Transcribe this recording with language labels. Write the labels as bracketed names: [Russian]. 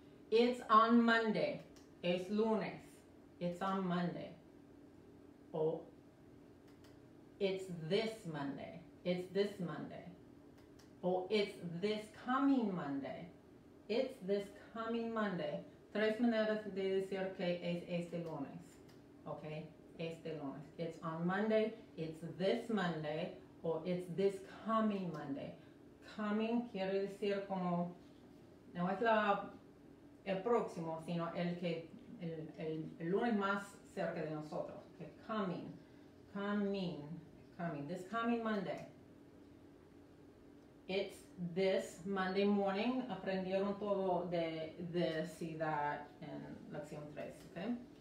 [English] It's on Monday, [Spanish] es lunes, [English] it's on Monday. O it's this Monday, it's this Monday. O it's this coming Monday, it's this coming Monday. [Spanish] Tres maneras de decir que es este lunes, ok? Este lunes. [English] It's on Monday, it's this Monday, or it's this coming Monday. [Spanish] Coming quiere decir como, no es el próximo, sino el que, el lunes más cerca de nosotros. [English] Okay. Coming, coming, coming. This coming Monday. It's this Monday morning. [Spanish] Aprendieron todo de this y that en lección 3. Okay?